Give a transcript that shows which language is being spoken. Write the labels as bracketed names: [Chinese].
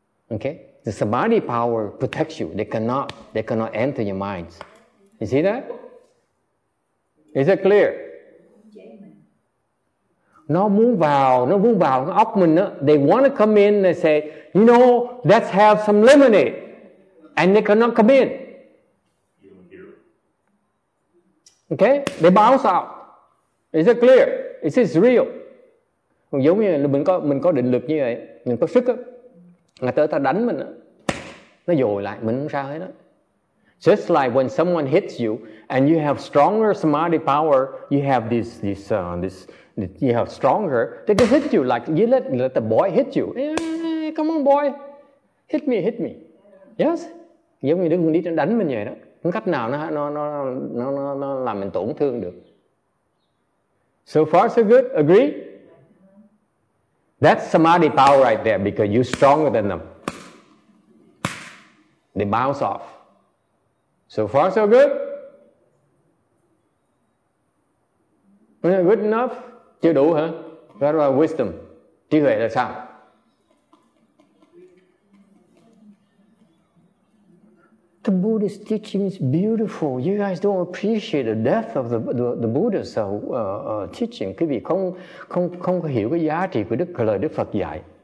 [English] Okay, the samadhi power protects you, they cannot enter your minds. You see that? Is it clear? [Vietnamese] nó muốn vào, nó muốn vào cái óc mình đó. [English] They want to come in, they say, you know, let's have some lemonade. And they cannot come in. Okay? They bounce out. Is it clear? Is it real? [Vietnamese] Giống như là mình có định lực như vậy, mình có sức á. Người ta đánh mình á, nó dồi lại, mình không sao hết á. [English] Just like when someone hits you and you have stronger samadhi power, you have this you have stronger, they can hit you like you let the boy hit you. Hey, come on boy. Hit me. Yes? [Vietnamese] Giống như đứa con nít nó đánh mình vậy đó. Không cách nào nó làm mình tổn thương được. [English] So far so good, agree? That's samadhi power right there, because you're stronger than them. They bounce off. So far so good? Good enough? [Vietnamese] Chưa đủ hả? [English] What about wisdom? [Vietnamese] Trí huệ là sao? [English] The Buddha's teaching is beautiful. You guys don't appreciate the depth of the Buddha's teaching. [Vietnamese] Quý vị không có hiểu cái giá trị của Đức lời Đức Phật dạy.